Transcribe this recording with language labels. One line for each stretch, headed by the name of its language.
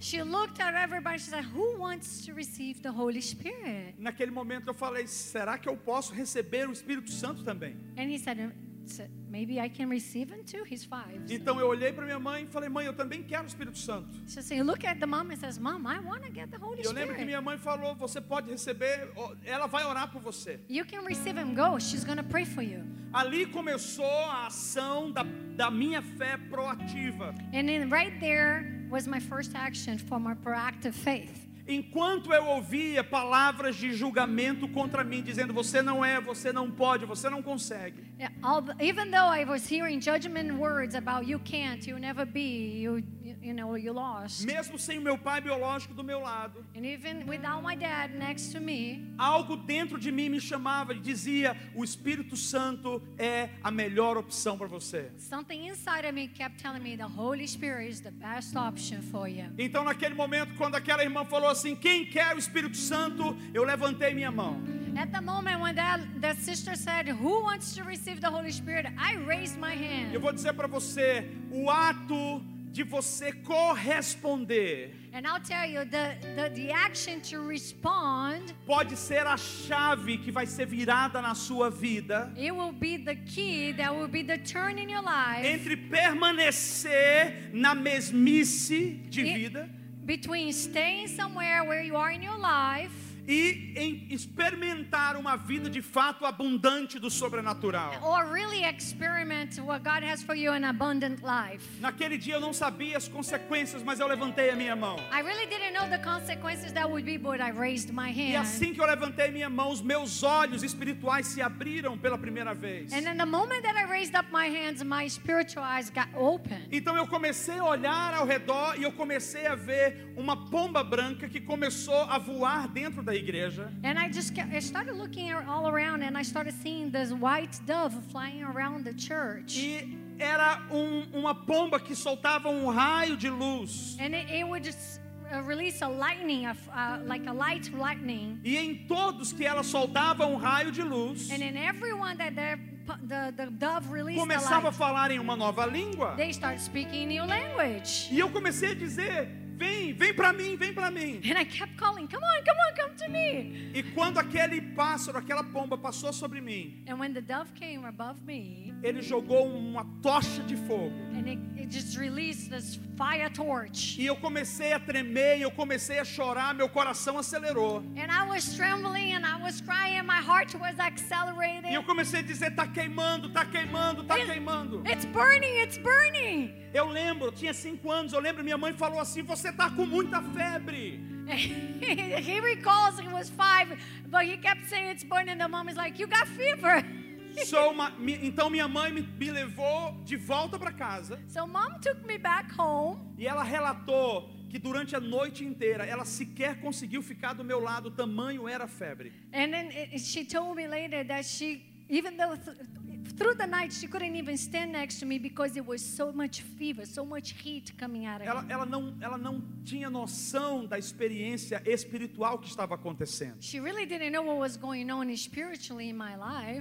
English: She looked at everybody, she said, who wants to receive the Holy Spirit?
Portuguese: Naquele momento eu falei: será que eu posso receber o Espírito Santo também?
English: And he said, maybe I can receive him too. He's 5.
Portuguese: Então eu olhei para minha mãe e falei: mãe, eu também quero o Espírito Santo.
English: She said, look at the mom and says, mom, I want to get the Holy Spirit.
Portuguese: Eu lembro que minha mãe falou: você pode receber, ela vai orar por você.
English: You can receive him, go, she's going to pray for you.
Portuguese: Ali começou a ação da minha fé proativa.
English: And then right there was my first action for my proactive faith.
Portuguese: Enquanto eu ouvia palavras de julgamento contra mim, dizendo: você não é, você não pode, você não consegue.
English: Even though I was hearing judgment words about you can't, you never be, you know, you lost.
Portuguese: Mesmo sem meu pai biológico do meu lado.
English: And even without my dad next to me.
Portuguese: Algo dentro de mim me chamava e dizia: o Espírito Santo é a melhor opção para você.
English: Something inside of me kept telling me the Holy Spirit is the best option for you.
Portuguese: Então naquele momento, quando aquela irmã falou assim: quem quer o Espírito Santo? Eu levantei minha mão.
English: At the moment when that sister said, who wants to receive the Holy Spirit? I raised my hand.
Portuguese: Eu vou dizer para você, o ato de você corresponder.
English: And I'll tell you, the action to respond
Portuguese: pode ser a chave que vai ser virada na sua vida.
English: It will be the key that will be the turn in your life.
Portuguese: Entre permanecer na mesmice de vida.
English: Between staying somewhere where you are in your life.
Portuguese: e em experimentar uma vida de fato abundante do sobrenatural.
English: Or really experiment what God has for you, an abundant life.
Portuguese: Naquele dia eu não sabia as consequências, mas eu levantei a minha mão.
English: I really didn't know the consequences that would be, but I raised my hand.
Portuguese: E assim que eu levantei a minha mão, os meus olhos espirituais se abriram pela primeira vez.
English: And in the moment that I raised up my hands, my spiritual eyes got open.
Portuguese: Então eu comecei a olhar ao redor e eu comecei a ver uma pomba branca que começou a voar dentro da igreja.
English: And I started looking all around and I started seeing this white dove flying around the church.
Portuguese: E era uma pomba que soltava um raio de luz.
English: And it would just release a lightning, like a light lightning.
Portuguese: E em todos que ela soltava um raio de luz.
English: And in everyone that the dove released,
Portuguese: começava a falar em uma nova língua.
English: They start speaking a new language.
Portuguese: E eu comecei a dizer: Vem para mim, vem para mim.
English: And I kept calling, come on, come on, come to me.
Portuguese: E quando aquele pássaro, aquela pomba passou sobre mim,
English: and when the dove came above me,
Portuguese: ele jogou uma tocha de fogo.
English: And it just released this fire torch.
Portuguese: E eu comecei a tremer, eu comecei a chorar, meu coração acelerou.
English: And I was trembling and I was crying, my heart was accelerating.
Portuguese: E eu comecei a dizer: tá queimando, tá queimando, tá queimando.
English: It's burning, it's burning.
Portuguese: Eu lembro, tinha 5 anos, eu lembro, minha mãe falou assim: você está com muita febre.
English: He recalls he was 5, but he kept saying it's burning. The mom is like, you got fever.
Portuguese: Então minha mãe me levou de volta para casa.
English: So mom took me back home.
Portuguese: E ela relatou que durante a noite inteira ela sequer conseguiu ficar do meu lado, tamanho era a febre.
English: And then she told me later that she, even though through the night she couldn't even stand next to me because it was so much fever, so much heat coming out of her.
Portuguese: Ela não tinha noção da experiência espiritual que estava acontecendo.
English: She really didn't know what was going on spiritually in my life.